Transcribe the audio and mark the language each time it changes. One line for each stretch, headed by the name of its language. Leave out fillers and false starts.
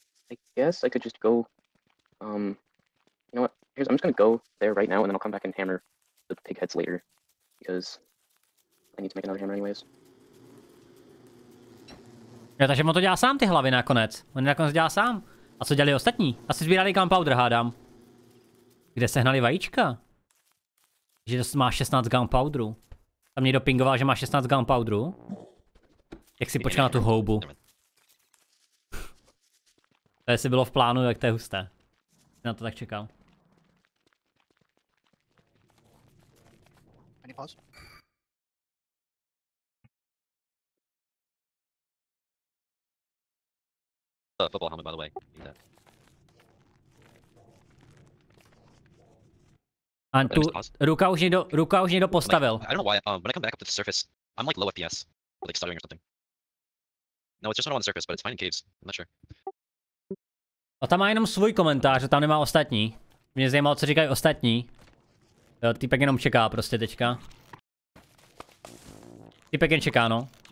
English: I guess I could just go, you know what, I'm just gonna go there right now and then I'll come back and hammer the pig heads later, because I need to make another hammer anyways.
Czech: Jo, takže on to dělá sám ty hlavy nakonec, on nakonec dělá sám. A co dělali ostatní? Asi sbírali gunpowder, hádám. Kde sehnali vajíčka? Že to má 16 gunpowderu. Tam někdo pingoval, že má 16 gunpowderu. Jak si počká na tu houbu. To jestli bylo v plánu, jak to je husté. Jsi na to tak čekal.
English: Football helmet, by the way.
Czech: A tu ruka už někdo postavil.
English: I don't know why, when I come back up to the surface, I'm like low FPS. Like stuttering or something. No, it's just not on the surface, but it's fine in caves. I'm not sure.
Czech: A tam má jenom svůj komentář, tam nemá ostatní. Mě zajímalo, co říkají ostatní. Jo, týpek jenom čeká prostě teďka. Týpek jen čeká, no.